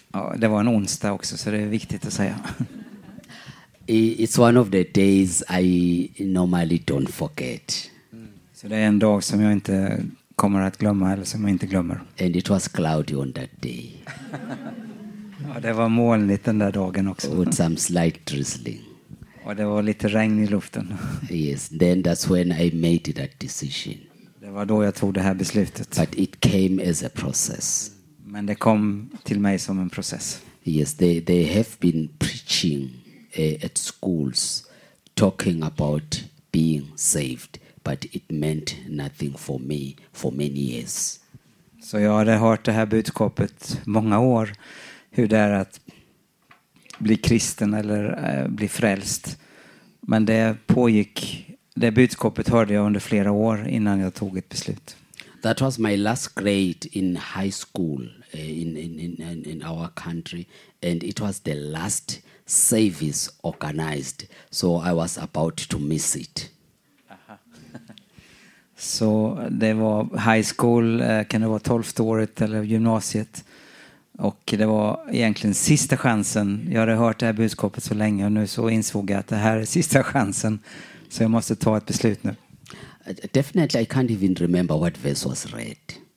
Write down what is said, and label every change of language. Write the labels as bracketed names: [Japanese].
[Swedish] Ja, det var en onsdag också, så det är viktigt att säga. [English] It's one of the days I normally don't forget. [Swedish] Så det är en dag som jag inte kommer att glömma, eller som jag inte glömmer. [English] And it was cloudy on that day. [Swedish] Ja, det var molnigt den där dagen också. [English] With some slight drizzling. [Swedish] Och det var lite regn i luften. [English] Yes, then that's when I made that decision. [Swedish] Det var då jag tog det här beslutet. [English] But it came as a process. [Swedish] Men det kom till mig som en process. [English] Yes, they have been preaching at schools, talking about being saved, but it meant nothing for me for many years. [Swedish] Så jag hade hört det här budskapet många år, hur det är att bli kristen eller bli frälst. Men det pågick, det budskapet hörde jag under flera år innan jag tog ett beslut. [English] That was my last grade in high school in our country, and it was the last service organized, so I was about to miss it. [Swedish] Så det var high school, kan det vara 12:e året eller gymnasiet, och det var egentligen sista chansen. Jag hade hört det här budskapet så länge, och nu så insåg jag att det här är sista chansen, så jag måste ta ett beslut nu. [English] Definitely I can't even remember what verse was read.